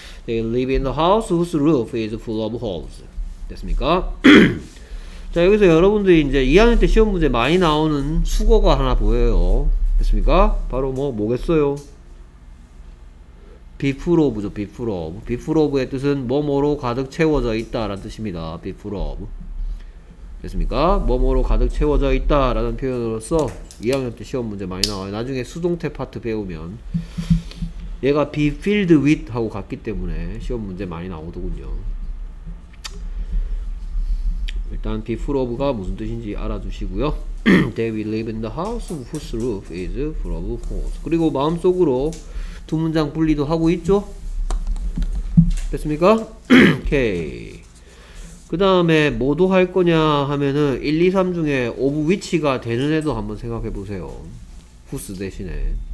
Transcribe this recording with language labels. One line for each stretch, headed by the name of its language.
English: They live in the house whose roof is full of holes.
Korean: 됐습니까? 자, 여기서 여러분들이 이제 2학년 때 시험 문제 많이 나오는 수거가 하나 보여요. 됐습니까? 바로 뭐겠어요? be full of죠, be full of. be full of의 뜻은 뭐뭐로 가득 채워져 있다라는 뜻입니다. be full of. 됐습니까? 뭐뭐로 가득 채워져 있다라는 표현으로써 2학년 때 시험 문제 많이 나와요. 나중에 수동태 파트 배우면 얘가 be filled with 하고 같기 때문에 시험 문제 많이 나오더군요. 일단 be full of가 무슨 뜻인지 알아두시고요.
English: They will live in the house whose roof is full of holes.
Korean: 그리고 마음속으로 두 문장 분리도 하고 있죠? 됐습니까? 오케이. 그 다음에 뭐도 할 거냐 하면은 1, 2, 3 중에 of which가 되는 애도 한번 생각해 보세요. whose 대신에.